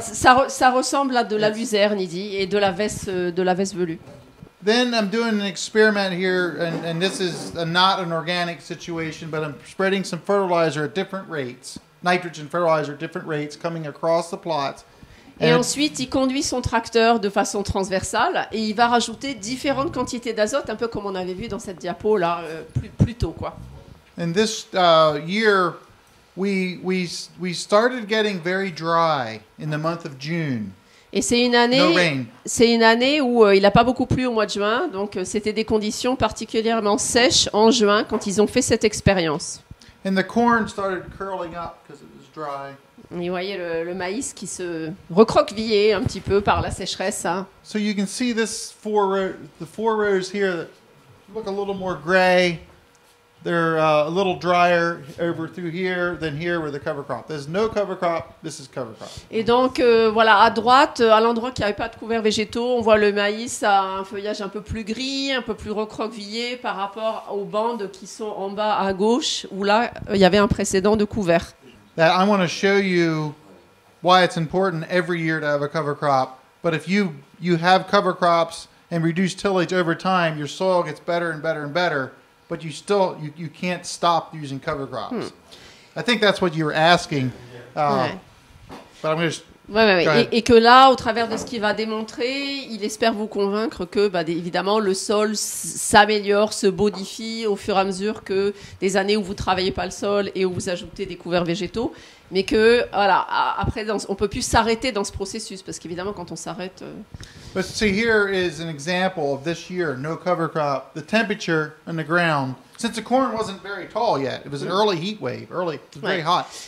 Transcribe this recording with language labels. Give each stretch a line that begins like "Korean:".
French: Ça ressemble à de la luzerne, il dit, et de la veste velue.
English: Then I'm doing an experiment here, and this is not an organic situation, but I'm spreading some fertilizer at different rates, nitrogen fertilizer at different rates, coming across the plots.
French: Et ensuite, il conduit son tracteur de façon transversale, et il va rajouter différentes quantités d'azote, un peu comme on avait vu dans cette diapo là plus tôt, quoi.
English: And this year, we started getting very dry in the month of June.
French: Et c'est une année, où il n'a pas beaucoup plu au mois de juin, donc c'était des conditions particulièrement sèches en juin quand ils ont fait cette expérience.
English: And the corn started curling up because it was dry.
French: Vous voyez le maïs qui se recroquevillait un petit peu par la sécheresse. Hein.
English: So you can see this four the four rows here that look a little more gray. They're a little drier over through here than here with the cover crop. There's no cover crop. This is cover crop. Et donc voilà, à droite, à l'endroit qui n'avait pas de couvert végétaux, on voit le maïs à un feuillage un peu plus gris, un peu plus recroquevillé par rapport aux bandes qui sont en bas à gauche où là il y avait un précédent de couvert. That I want to show you why it's important every year to have a cover crop. But if you have cover crops and reduce tillage over time, your soil gets better and better and better. But you still you can't stop using cover crops. Hmm. I think that's what you're asking.
French: Ouais.
English: But I'm just.
French: Ouais. Et que là, au travers de ce qu'il va démontrer, il espère vous convaincre que, bah, évidemment, le sol s'améliore, se modifie au fur et à mesure que des années où vous travaillez pas le sol et où vous ajoutez des couverts végétaux, mais que voilà, après, on peut plus s'arrêter dans ce processus parce qu'évidemment, quand on s'arrête.
English: But see, here is an example of this year, no cover crop. The temperature in the ground, since the corn wasn't very tall yet, it was an early heat wave, early, it was very hot.